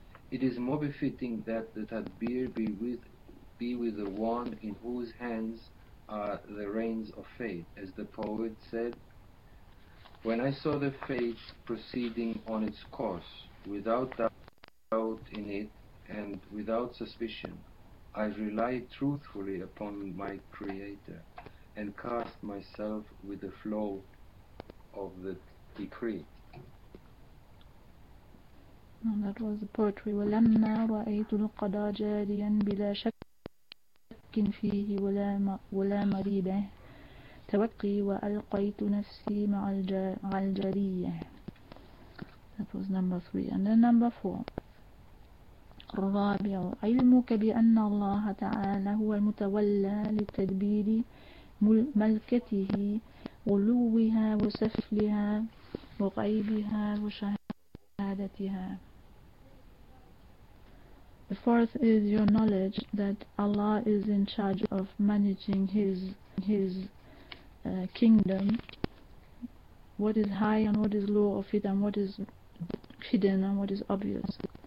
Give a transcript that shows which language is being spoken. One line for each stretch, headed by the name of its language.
English: It is more befitting that the tadbir be with the one in whose hands are the reins of fate, as the poet said, when I saw the fate proceeding on its course, without doubt in it, and without suspicion, I rely truthfully upon my Creator and cast myself with the flow of the decree. And that was the poetry.
Arabic: ولما رأيت القضاء جاريا بلا شك فيه ولا مريبة توقي وألقيت نفسي مع الجارية.
English: That was number three. And then number four.
Arabic: الرابع علمك بأن الله تعالى هو المتولى لتدبير ملكته غلوها وسفلها وغيبها وشهادتها.
English: The fourth is your knowledge that Allah is in charge of managing His kingdom, what is high and what is low of it, and what is hidden and what is obvious.